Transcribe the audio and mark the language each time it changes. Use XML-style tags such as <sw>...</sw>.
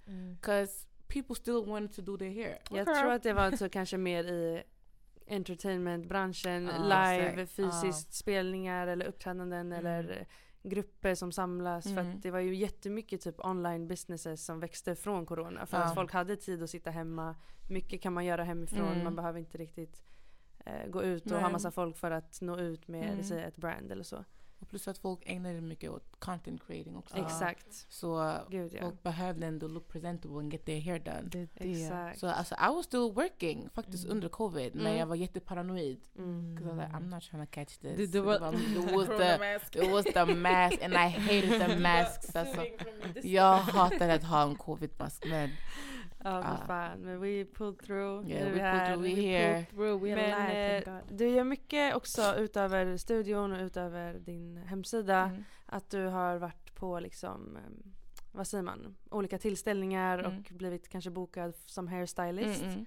<en>Because people still wanted to do their hair.</en> <sv>Jag tror att det var så kanske mer i entertainmentbranschen, live fysiskt spelningar eller uppträdanden eller grupper som samlas, för att det var ju jättemycket typ online businesses som växte från corona, för att folk hade tid att sitta hemma, mycket kan man göra hemifrån, man behöver inte riktigt gå ut och ha massa folk för att nå ut med ett brand eller så. Och plus att folk ägnar mycket åt content creating också. Exakt. Så gud, folk behövde ändå</sv> <en>look presentable and get their hair done.</en> <sv>Exakt. Så alltså,</sv> <en>I was still working</en> <sv>faktiskt under covid. Men jag var jätteparanoid.</sv> <en>Because I was like, I'm not trying to catch this. It was the mask. And I hated the masks. Alltså.</en> <sv>Jag hatade att ha en covid-mask. Men... Men vi</sv> <en>pulled through. We pulled through.</en> <sv>Men du gör mycket också utöver studion och utöver din hemsida. Att du har varit på liksom, vad säger man, olika tillställningar och blivit kanske bokad som hairstylist.</sv>